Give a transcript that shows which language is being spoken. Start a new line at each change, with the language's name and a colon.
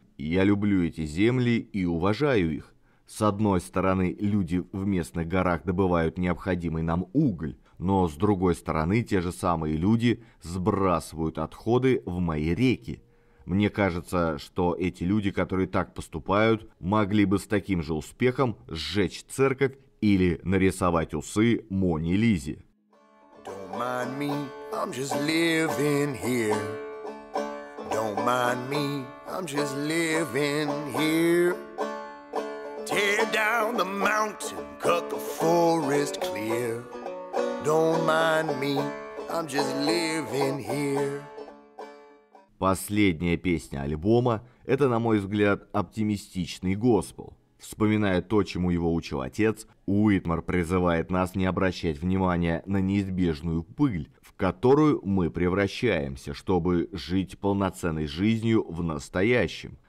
Russian: Я люблю эти земли и уважаю их. С одной стороны, люди в местных горах добывают необходимый нам уголь, но с другой стороны, те же самые люди сбрасывают отходы в мои реки. Мне кажется, что эти люди, которые так поступают, могли бы с таким же успехом сжечь церковь или нарисовать усы Моне Лизе.
English: Don't mind me, I'm just living here. Don't mind me, I'm just living here. Tear down the mountain, cut the forest clear. Don't mind me, I'm just living here.
Russian: Последняя песня альбома – это, на мой взгляд, оптимистичный госпел. Вспоминая то, чему его учил отец, Уитмор призывает нас не обращать внимания на неизбежную пыль, в которую мы превращаемся, чтобы жить полноценной жизнью в настоящем.